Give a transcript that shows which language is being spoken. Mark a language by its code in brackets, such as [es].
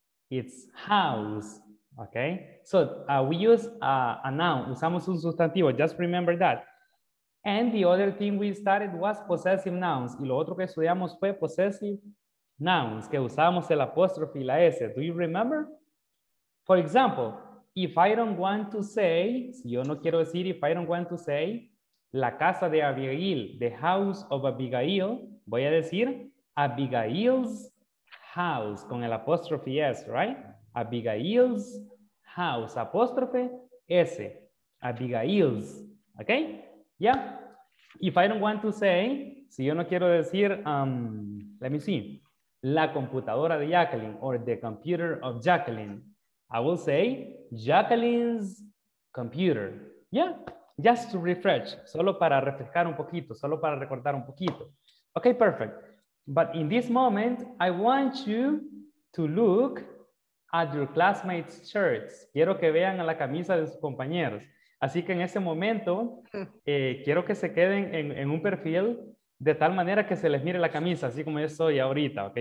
[en] It's house, okay? So we use a noun, [es] usamos un sustantivo, [en] just remember that. And the other thing we started was possessive nouns. [es] Y lo otro que estudiamos fue possessive nouns, que usamos el apóstrofe y la S. [en] Do you remember? For example, if I don't want to say, [es] si yo no quiero decir, [en] if I don't want to say, [es] la casa de Abigail, [en] the house of Abigail, [es] voy a decir [en] Abigail's house, [es] con el apóstrofe S, [en] right? Abigail's house, [es] apóstrofe S, [en] Abigail's, okay? Yeah, if I don't want to say, [es] si yo no quiero decir, [en] let me see, [es] la computadora de Jacqueline [en] or the computer of Jacqueline, I will say Jacqueline's computer. Yeah, just to refresh, [es] solo para refrescar un poquito, solo para recordar un poquito. [en] Okay, perfect. But in this moment, I want you to look at your classmates' shirts. [es] Quiero que vean a la camisa de sus compañeros. Así que en ese momento, quiero que se queden en un perfil de tal manera que se les mire la camisa, así como yo estoy ahorita, ¿ok?